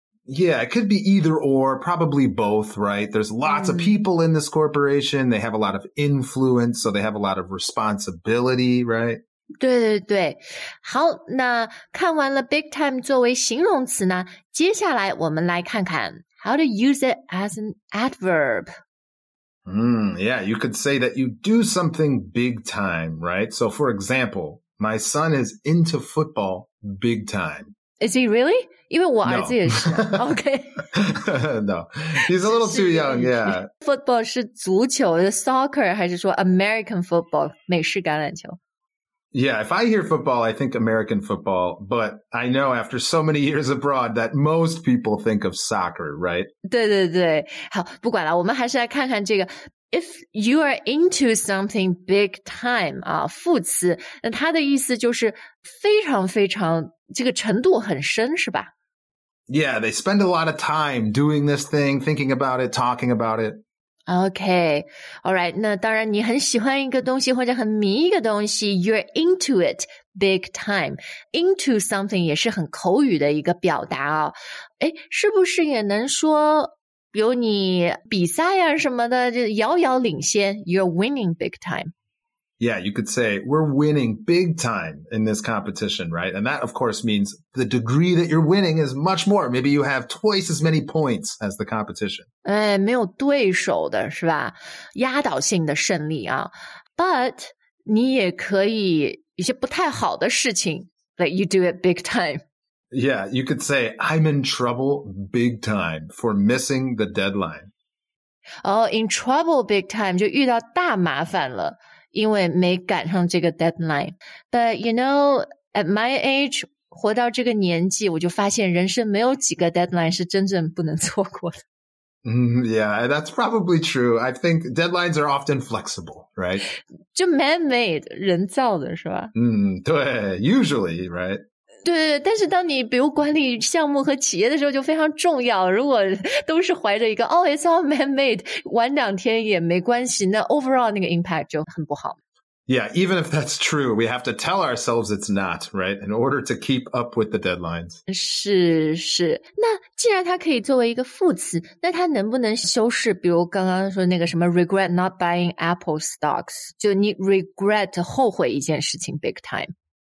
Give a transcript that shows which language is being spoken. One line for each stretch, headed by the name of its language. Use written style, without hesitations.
English: Yeah, it could be either or, probably both, right? There's lots of people in this corporation. They have a lot of influence, so they have a lot of responsibility, right?
Chinese: 对对对，好，那看完了 big time 作为形容词呢，接下来我们来看看
English: how to use it as an adverb. Yeah, you could say that you do something big time, right? So for example, my son is into football big time. Is he really?
Chinese: 因为我儿子也是。
English: No. OK. No, he's a little too young, yeah.
Chinese: Football 是足球 soccer 还是说 American football, 美式橄榄球。
English: Yeah, if I hear football, I think American football. But I know after so many years abroad that most people think of soccer, right?
Chinese: 对对对，好，不管了，我们还是来看看这个。
English: If you are into something big time,
Chinese: 啊，副词，那它的意思就是非常非常，这个程度很深，是吧？
English: Yeah, they spend a lot of time doing this thing, thinking about it, talking about it. Okay, all right.
Chinese: 那当然你很喜欢一个东西或者很迷一个东西
English: you're into it big time.
Chinese: Into something 也是很口语的一个表达哦。诶，是不是也能说比如你比赛啊什么的就遥遥领先
English: you're winning big time. Yeah, you could say we're winning big time in this competition, right? And that, of course, means the degree that you're winning is much more. Maybe you have twice as many points as the competition.
Chinese: 哎，没有对手的是吧？压倒性的胜利啊。 But 你也可以一些不太好的事情
English: like you do it big time. Yeah, you could say I'm in trouble big time for missing the deadline. Oh, in trouble big time
Chinese: 就遇到大麻烦了。因为没赶上这个 deadline.
English: But, you know, at my age,
Chinese: 活到这个年纪我就发现人生没有几个 deadline 是真正不能错过的。
English: Yeah, that's probably true. I think deadlines are often flexible, right?
Chinese: 就 man-made, 人造的是吧？
English: 对 usually, right?
Chinese: 对，但是当你比如管理项目和企业的时候就非常重要，如果都是怀着一个
English: oh, it's all man-made,
Chinese: 晚两天也没关系，那 overall 那个 impact 就很不好。
English: Yeah, even if that's true, we have to tell ourselves it's not, right? In order to keep up with the deadlines.
Chinese: 是是，那既然它可以作为一个副词，那它能不能修饰比如刚刚说那个什么
English: regret not buying Apple stocks,
Chinese: 就你 regret 后悔一件事情 big time。